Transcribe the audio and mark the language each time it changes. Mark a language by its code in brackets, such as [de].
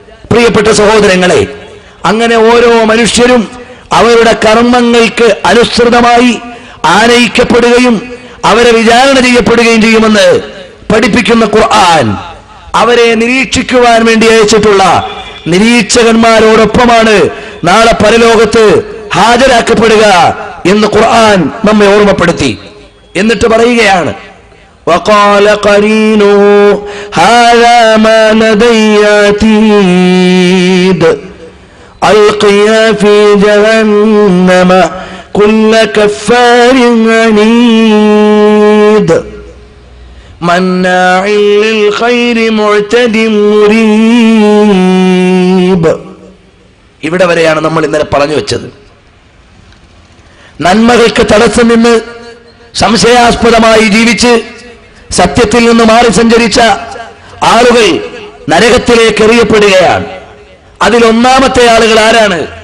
[ml] പ്രിയപ്പെട്ട സഹോദരങ്ങളെ, അങ്ങനെ ഓരോ മനുഷ്യരും അവരുടെ കർമ്മങ്ങൾക്ക് അനുസൃതമായി ആനയിക്കപ്പെടുകയും അവരെ വിചാരണ ചെയ്യപ്പെടുകയും ചെയ്യുമെന്ന് പഠിപ്പിക്കുന്ന ഖുർആൻ അവരെ നിരീക്ഷിക്കുവാൻ വേണ്ടി അയച്ചിട്ടുള്ള നിരീക്ഷകന്മാരോടൊപ്പമാണ് നാളെ പരലോകത്ത് ഹാജരാക്കപ്പെടുക എന്ന് ഖുർആൻ നമ്മെ ഓർമ്മപ്പെടുത്തി. എന്നിട്ട് പറയുകയാണ്, [ar] وقال قرينه هذا ما لدي عتيد ألقيا في جهنم كل كفار عنيد مناع للخير معتد مريب [ml] ഇവിടെ വരെയാണ് നമ്മൾ ഇന്നലെ പറഞ്ഞു വെച്ചത്. നന്മകൾക്ക് തടസ്സം നിന്ന് സംശയാസ്പദമായി ജീവിച്ച് സത്യത്തിൽ നിന്ന് മാറി സഞ്ചരിച്ച ആളുകൾ നരകത്തിലേക്ക് എറിയപ്പെടുകയാണ്. അതിൽ ഒന്നാമത്തെ ആളുകൾ ആരാണ്?